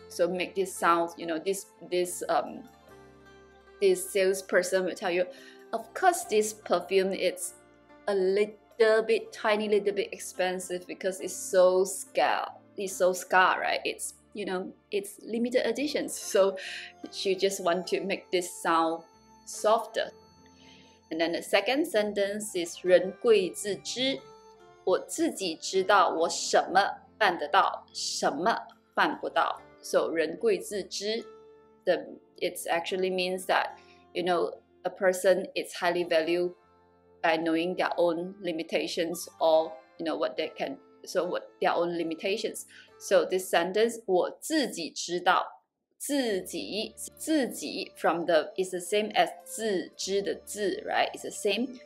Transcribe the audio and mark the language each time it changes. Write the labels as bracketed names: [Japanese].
[English] So make this sound, you know, this salesperson will tell you, of course this perfume it's a little bit expensive because it's so scarce, right? It's, you know, it's limited editions. So she just want to make this sound softer. And then the second sentence is 人貴自知. [Chinese] 我自己知道我什么办得到什么办不到. [English] So 人貴自知, it actually means that, you know, a person is highly valued by knowing their own limitations or, you know, what they can, so what their own limitations. So this sentence, [Chinese] 我自己知道, [English] 自己 from the, is the same as 自知 the 自, right? It's the same.